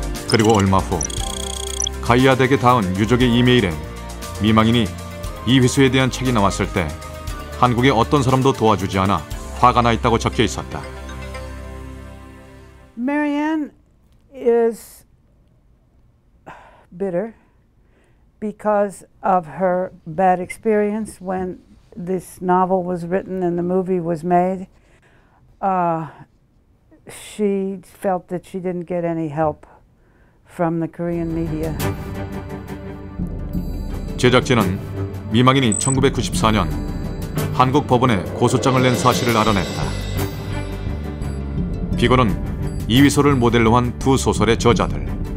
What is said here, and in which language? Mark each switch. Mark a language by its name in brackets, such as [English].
[Korean] 그리고 얼마 후 가이아드에게 닿은 유족의 이메일엔 미망인이 이휘소에 대한 책이 나왔을 때 한국의 어떤 사람도 도와주지 않아 화가 나 있다고 적혀 있었다. [English] Marianne is bitter because of her bad experience when this novel was written and the movie was made. She felt that she didn't get any help. From the Korean media. [Korean] 제작진은 미망인이 1994년 한국 법원에 고소장을 낸 사실을 알아냈다. 비건은 이휘소를 모델로 한 두 소설의 저자들.